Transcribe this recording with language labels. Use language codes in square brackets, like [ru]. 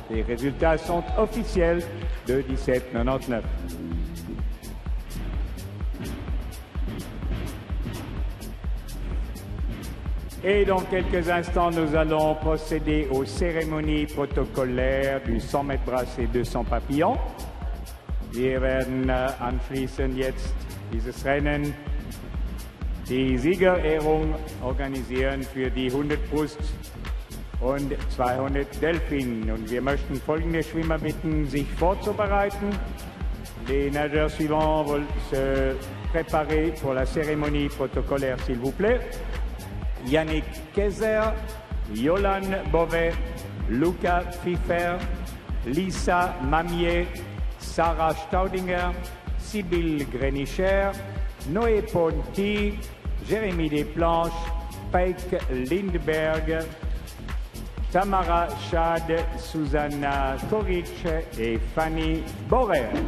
[fr] Les résultats sont officiels de 17,99. Et dans quelques instants, nous allons procéder aux cérémonies protocolaires du 100 mètres brasse et 200 papillons. [de] Wir werden anschließen jetzt dieses Rennen die Siegerehrung organisieren für die 100 Brust und 200 Delfin. Und wir möchten folgende Schwimmer bitten, sich vorzubereiten. [fr] Les nageurs suivants veulent se préparer pour la cérémonie protocolaire, s'il vous plaît. Yannick Kaiser, Yolan Beauvais, Luca Pfeiffer, Lisa Mamier, Sarah Staudinger, Sybille Grenicher, Noé Ponti, Jérémy Desplanches, Peik Lindberg, Tamara Schad, Susanna Koric et Fanny Borer.